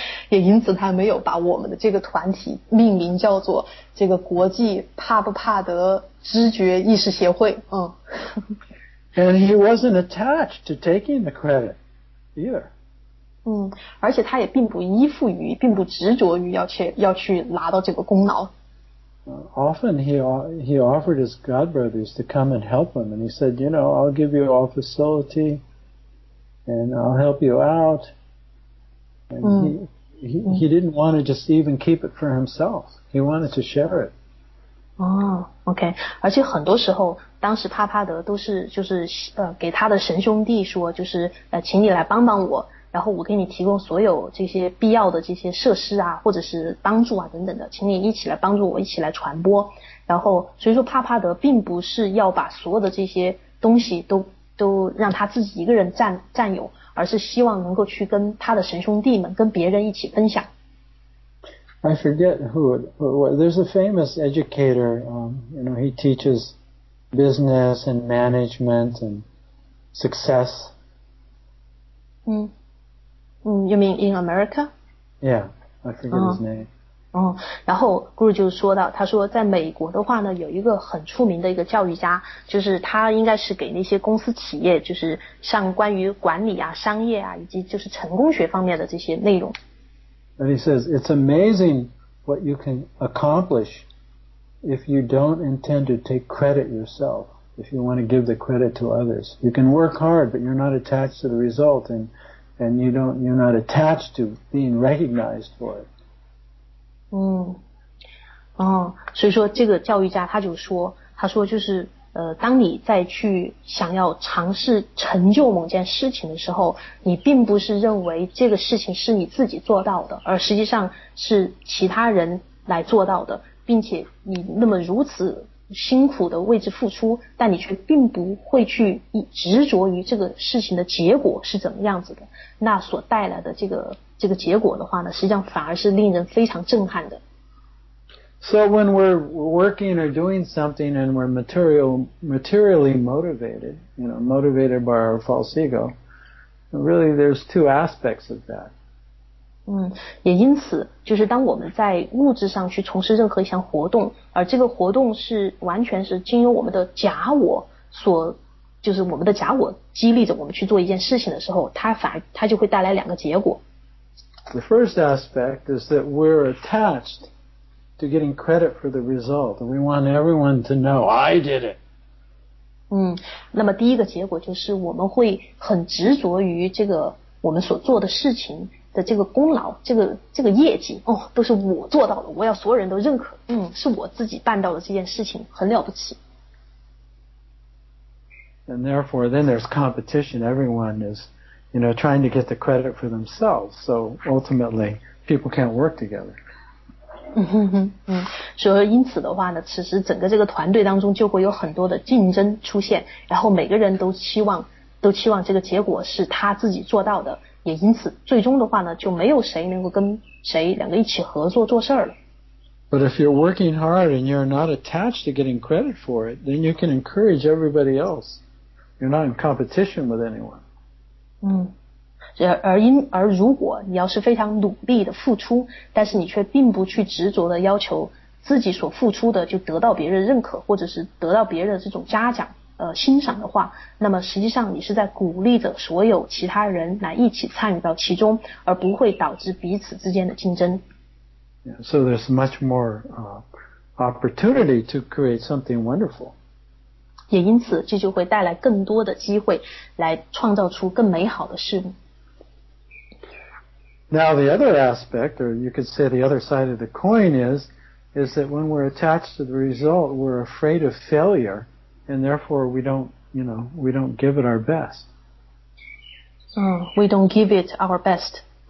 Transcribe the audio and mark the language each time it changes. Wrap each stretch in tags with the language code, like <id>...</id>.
<zh>也因此他没有把我们的这个团体命名叫做这个国际帕布帕德知觉意识协会。</zh> <en>And he wasn't attached to taking the credit either.</en> <zh>而且他也并不依附于，并不执着于要去拿到这个功劳。</zh> <en>Often he offered his godbrothers to come and help him, and he said, you know, I'll give you all facility, and I'll help you out. And he didn't want to just even keep it for himself. He wanted to share it. Okay.</en> <zh>而且很多时候，当时帕帕德都是就是给他的神兄弟说，就是请你来帮帮我，然后我给你提供所有这些必要的这些设施啊，或者是帮助啊等等的，请你一起来帮助我，一起来传播。然后所以说帕帕德并不是要把所有的这些东西都让他自己一个人占有，而是希望能够去跟他的神兄弟们，跟别人一起分享。</zh> <en>I forget who there's a famous educator, you know, he teaches business and management and success. You mean in America? Yeah, I forget his name.</en> <zh>然后 Guru 就说到，他说在美国的话呢，有一个很出名的一个教育家，就是他应该是给那些公司企业，就是像关于管理啊、商业啊，以及就是成功学方面的这些内容。</zh> <en>And he says, it's amazing what you can accomplish if you don't intend to take credit yourself, if you want to give the credit to others. You can work hard, but you're not attached to the result, and you're not attached to being recognized for it.</en> <zh>所以说这个教育家他说就是当你再去想要尝试成就某件事情的时候，你并不是认为这个事情是你自己做到的，而实际上是其他人来做到的，并且你那么如此辛苦的为之付出，但你却并不会去执着于这个事情的结果是怎么样子的，那所带来的这个结果的话呢，实际上反而是令人非常震撼的。</zh> <en>So when we're working or doing something and we're materially motivated, you know, motivated by our false ego, really there's two aspects of that.</en> <zh>嗯，也因此，就是当我们在物质上去从事任何一项活动，而这个活动是完全是经由我们的假我所，就是我们的假我激励着我们去做一件事情的时候，它就会带来两个结果。</zh> <en>The first aspect is that we're attached. To getting credit for the result. We want everyone to know I did it.</en> <zh>那么第一个结果就是我们会很执着于这个我们所做的事情的这个功劳，这个业绩，哦，都是我做到了，我要所有人都认可，是我自己办到的这件事情，很了不起。</zh> <en>And therefore, then there's competition. Everyone is, you know, trying to get the credit for themselves. So ultimately, people can't work together.</en> <zh>所以因此的话呢，此时整个这个团队当中就会有很多的竞争出现，然后每个人都期望这个结果是他自己做到的，也因此最终的话呢，就没有谁能够跟谁两个一起合作做事了。</zh> <en>But if you're working hard and you're not attached to getting credit for it, then you can encourage everybody else. You're not in competition with anyone.</en> <zh>而如果你要是非常努力的付出，但是你却并不去执着的要求自己所付出的就得到别人认可，或者是得到别人的这种嘉奖、欣赏的话，那么实际上你是在鼓励着所有其他人来一起参与到其中，而不会导致彼此之间的竞争。</zh> <en>Yeah, so there's much more opportunity to create something wonderful.</en> <zh>也因此，这就会带来更多的机会，来创造出更美好的事物。</zh> <en>Now the other aspect, or you could say the other side of the coin, is that when we're attached to the result, we're afraid of failure, and therefore we don't give it our best. We don't give it our best.</en>